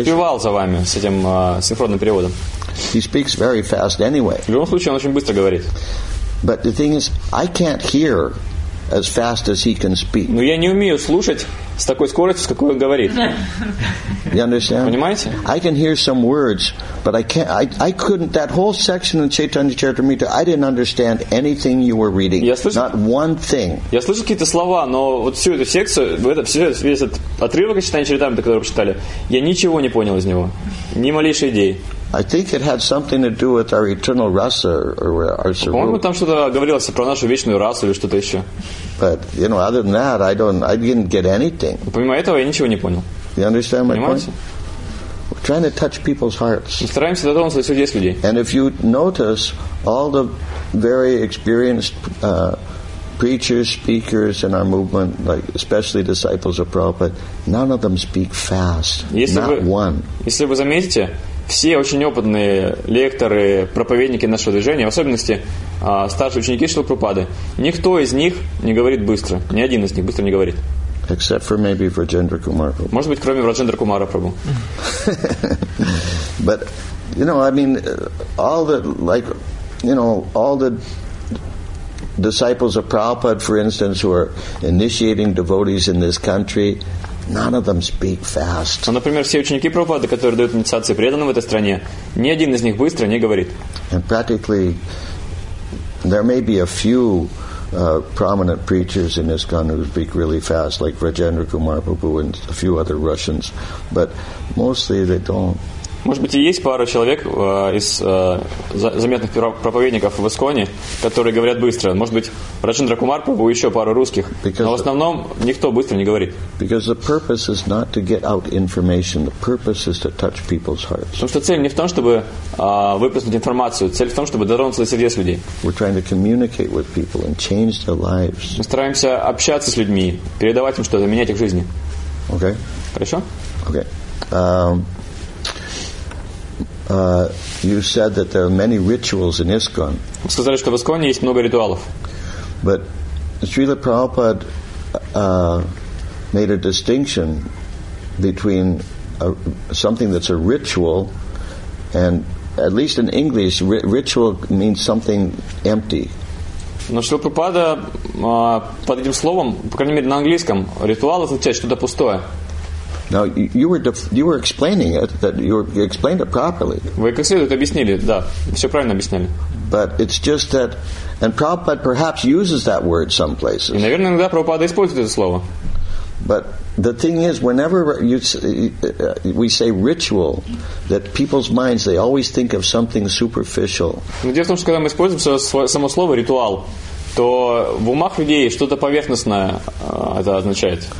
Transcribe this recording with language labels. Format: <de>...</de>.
<ru>Успевал за вами с этим синхронным переводом.</ru> <en>He speaks very fast anyway.</en> <ru>В любом случае, он очень быстро говорит.</ru> <en>But the thing is, I can't hear as fast as he can speak.</en> <ru>Но я не умею слушать с такой скоростью, с какой он говорит.</ru> <en>You understand?</en> <ru>Понимаете?</ru> <en>I can hear some words, but I can't. I couldn't. That whole section in Chaitanya Charitamrita, I didn't understand anything you were reading. Not one thing.</en> <ru>Я слышал какие-то слова, но вот всю эту секцию, весь этот отрывок из Чайтанья Чаритамриты, который вы читали, я ничего не понял из него. Ни малейшей идеи.</ru> <en>I think it had something to do with our eternal rasa or our sarup.</en> <ru>По-моему, там что-то говорилось про нашу вечную расу или что-то еще.</ru> <en>But you know, other than that, I didn't get anything.</en> <ru>Помимо этого, я ничего не понял.</ru> <en>You understand my</en> <ru>Понимаете?</ru> <en>Point? We're trying to touch people's hearts.</en> <ru>Мы стараемся дотронуться до сердец людей.</ru> <en>And if you notice, all the very experienced preachers, speakers in our movement, like especially disciples of Prabhupada, none of them speak fast.</en> <ru>Если вы заметите. Все очень опытные лекторы, проповедники нашего движения, в особенности старшие ученики Шрилы Прабхупады, никто из них не говорит быстро. Ни один из них быстро не говорит. Except for maybe Раджендра Кумара. Может быть, кроме Раджендра Кумара Прабху. But, you know, I mean, all the, like, you know, all the disciples of Prabhupada, for instance, who are initiating devotees in this country, none of them speak fast. Но, например, все ученики Прабхупады, которые дают инициации преданным в этой стране, ни один из них быстро не говорит. And practically, there may be a few prominent preachers in this country who speak really fast, like Rajendra Kumar Prabhu and a few other Russians, but mostly they don't. Может быть, и есть пара человек из заметных проповедников в Исконе, которые говорят быстро. Может быть, Раджендра Кумар Прабху и еще пару русских. Но в основном никто быстро не говорит. Потому что цель не в том, чтобы выплеснуть информацию. Цель в том, чтобы дотронуться до сердец людей. Мы стараемся общаться с людьми, передавать им что-то, менять их жизни.</ru> <en>Okay.</en> <ru>Хорошо?</ru> <en>Okay. You said that there are many rituals in ISKCON.</en> <ru>Вы сказали, что в ИСКОНе есть много ритуалов.</ru> <en>But Srila Prabhupada made a distinction between something that's a ritual and, at least in English, ritual means something empty.</en> <ru>Но Шрила Прабхупада под этим словом, по крайней мере на английском, ритуал означает что-то пустое.</ru> <en>Now you were explaining it that you explained it properly.</en> <ru>Вы как следует объяснили, да, все правильно объясняли.</ru> <en>But it's just that, and Prabhupada perhaps uses that word some places.</en> <ru>И, наверное, иногда Прабхупада использует это слово.</ru> <en>But the thing is, whenever we say ritual, that people's minds they always think of something superficial.</en> <ru>Но дело в том, что когда мы используем само слово ритуал. То в умах людей что-то поверхностное это означает.</ru>